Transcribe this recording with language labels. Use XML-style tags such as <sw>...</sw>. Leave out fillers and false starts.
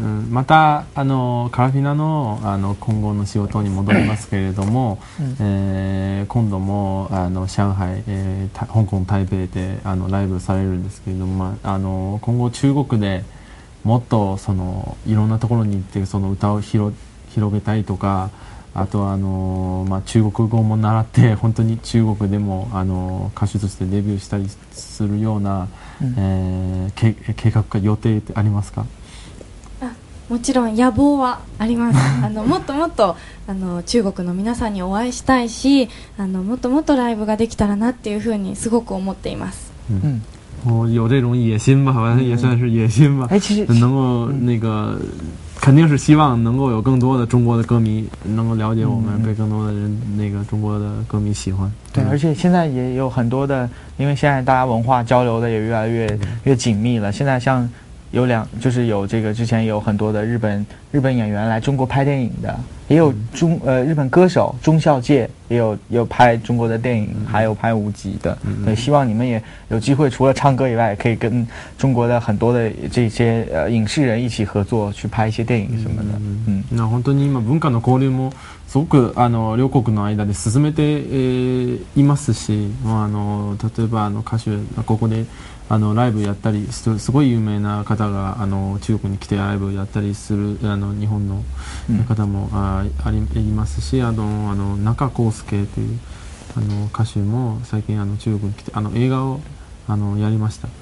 <ja>またカラフィナ の今後の仕事に戻りますけれども、今度も上海、香港、台北でライブされるんですけれども、今後中国でもっとそのいろんなところに行ってその歌を広げたいとか、あとは中国語も習って本当に中国でも歌手としてデビューしたりするような、計画か予定ってありますか？もちろん野望はあります。もっともっと中国の皆さんにお会いしたいし、もっともっとライブができたらなっていうふうにすごく思っています。</ja> <zh>うん、有这种野心吧，好像也算是野心吧。哎，其实能够那个，肯定是希望能够有更多的中国的歌迷能够了解我们，被更多的人那个中国的歌迷喜欢。对，而且现在也有很多的，因为现在大家文化交流的也越来越紧密了。现在像有两，就是有这个之前有很多的日本演员来中国拍电影的，也有日本歌手中孝介也有拍中国的电影，还有拍舞集的。对，希望你们也有机会，除了唱歌以外，可以跟中国的很多的这些影视人一起合作，去拍一些电影什么的。</zh> <ja>那本当に今文化の交流もすごく両国の間で進めていますし、例えば歌手ここでライブやったり、すごい有名な方が中国に来てライブやったりする日本の方もいますし、中康介という歌手も最近中国に来て映画をやりました。</ja>